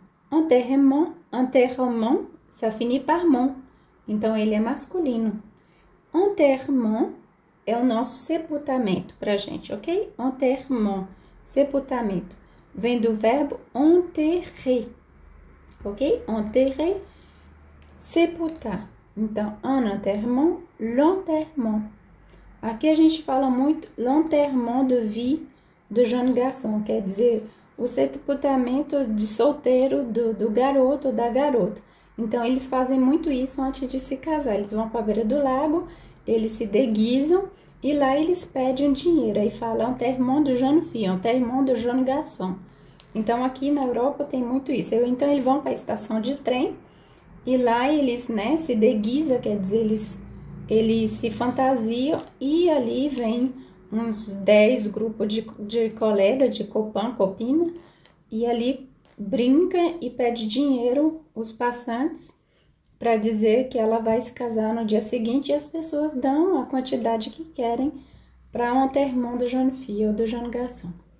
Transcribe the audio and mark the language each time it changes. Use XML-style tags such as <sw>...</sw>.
<fr>Enterrement, ça finit par mon.</fr> <pt>Então ele é masculino. Enterrement é o nosso sepultamento pra gente, ok? Enterrement, sepultamento. Vem do verbo enterrer, ok? Enterrer, sepultar. Então, enterrement, l'enterrement. Aqui a gente fala muito</pt> <fr>l'enterrement de vie de jeune garçon,</fr> <pt>quer dizer. O sepultamento de solteiro do garoto ou da garota. Então, eles fazem muito isso antes de se casar. Eles vão para a beira do lago, eles se deguisam e lá eles pedem dinheiro. Aí fala,</pt> <fr>enterrement de jeune fille, enterrement de jeune garçon.</fr> <pt>Então, aqui na Europa tem muito isso. Então, eles vão para a estação de trem e lá eles, né, se deguisam, quer dizer, eles se fantasiam e ali vem uns 10 grupos de colega, de copão, copina, e ali brinca e pede dinheiro os passantes para dizer que ela vai se casar no dia seguinte e as pessoas dão a quantidade que querem para um</pt> <fr>enterrement de jeune fille ou de jeune garçon.</fr>